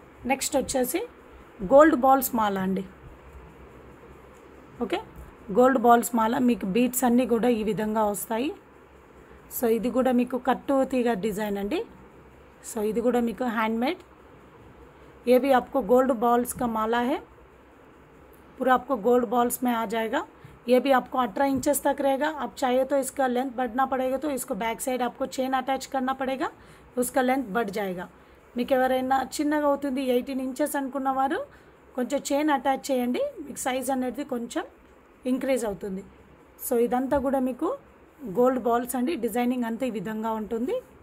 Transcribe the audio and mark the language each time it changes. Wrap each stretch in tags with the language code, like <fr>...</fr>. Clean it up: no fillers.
<te>Next వచ్చేసి gold balls మాల అండి okay gold balls మాల మీకు బీట్స్ అన్నీ కూడా ఈ విధంగా వస్తాయి సో ఇది కూడా మీకు కట్టు తీగ డిజైన్ అండి సో ఇది కూడా మీకు హ్యాండ్ మేడ్</te> <hi>ఏది ఆపకు గోల్డ్ బాల్స్ కా మాల హే पूरा आपको गोल्ड बॉल्स में आ जाएगा। ये भी आपको 18 इंचेस तक रहेगा। आप चाहिए तो इसका लेंथ बढ़ना पड़ेगा, तो इसको बैक साइड आपको चेन अटैच करना पड़ेगा, उसका लेंथ बढ़ जाएगा।</hi> <te>మీకెవరైనా చిన్నగా అవుతుంది 18 ఇంచెస్ అనుకున్న వారు కొంచెం చైన్ అటాచ్ చేయండి, మీకు సైజ్ అనేది కొంచెం ఇంక్రీజ్ అవుతుంది। సో ఇదంతా కూడా మీకు గోల్డ్ బాల్స్ అండి, డిజైనింగ్ అంతా ఈ విధంగా ఉంటుంది।</te>